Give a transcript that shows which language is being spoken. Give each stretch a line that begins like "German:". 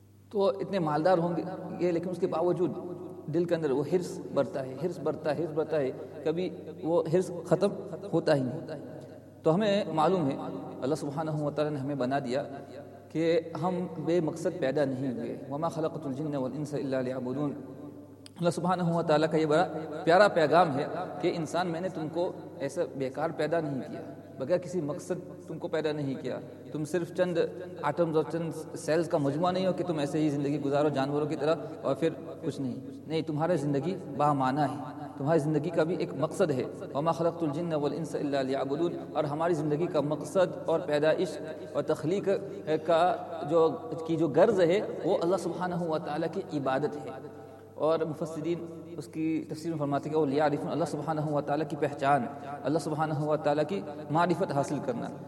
Urdu: تو اتنے مالدار ہوں گے لیکن اس کے باوجود دل کے اندر وہ حرص بڑھتا ہے، حرص بڑھتا ہے، حرص بڑھتا ہے، کبھی وہ حرص ختم ہوتا ہی نہیں. تو ہمیں معلوم ہے اللہ سبحانہ وتعالیٰ نے ہمیں بنا دیا کہ ہم بے مقصد پیدا نہیں ہوئے.
Arabic: وما خلقت الجن والانس الا ليعبدون.
Urdu: اللہ سبحانہ وتعالیٰ کا یہ بڑا پیارا پیغام ہے کہ انسان، میں نے تم کو ایسا بیکار پیدا نہیں کیا، بغیر کسی مقصد تم کو پیدا نہیں کیا. تم صرف چند ایٹمز اور چند سیلز کا مجموعہ نہیں ہو کہ تم ایسے ہی زندگی گزارو جانوروں کی طرح اور پھر کچھ نہیں. نہیں، تمہارا زندگی با معنی ہے، تمہاری زندگی کا بھی ایک مقصد ہے.
Arabic: وما خلقت الجن والانس الا ليعبدون.
Urdu: اور ہماری زندگی کا مقصد اور پیدائش اور تخلیق کا جو غرض ہے وہ اللہ سبحانہ وتعالیٰ کی عبادت ہے. اور مفسرین اس کی تفسیر میں فرماتے ہیں کہ وہ لیعرفون، اللہ سبحانہ وتعالیٰ کی پہچان، اللہ سبحانہ وتعالیٰ کی معرفت حاصل کرنا.